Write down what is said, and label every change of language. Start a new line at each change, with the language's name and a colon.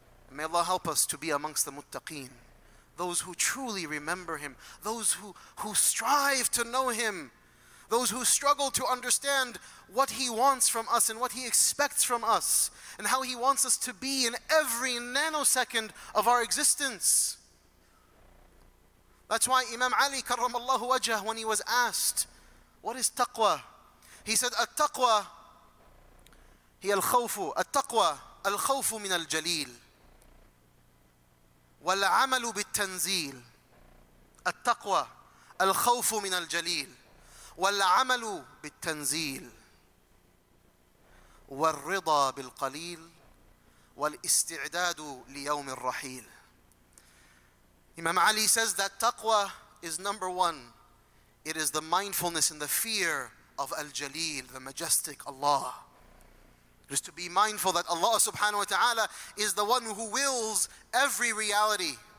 English: May Allah help us to be amongst the muttaqeen, those who truly remember Him, those who strive to know Him, those who struggle to understand what He wants from us and what He expects from us and how He wants us to be in every nanosecond of our existence. That's why Imam Ali karramallahu wajah, when he was asked, what is taqwa? He said,
Arabic: at-taqwa, hiya al-khawfu, at-taqwa, الخوف من الجليل والعمل بالتنزيل. التقوى الخوف من الجليل والعمل بالتنزيل والرضا بالقليل والاستعداد ليوم الرحيل.
English: Imam Ali says that taqwa is number one. It is the mindfulness and the fear of Al-Jaleel, the majestic Allah. It is to be mindful that Allah subhanahu wa ta'ala is the one who wills every reality.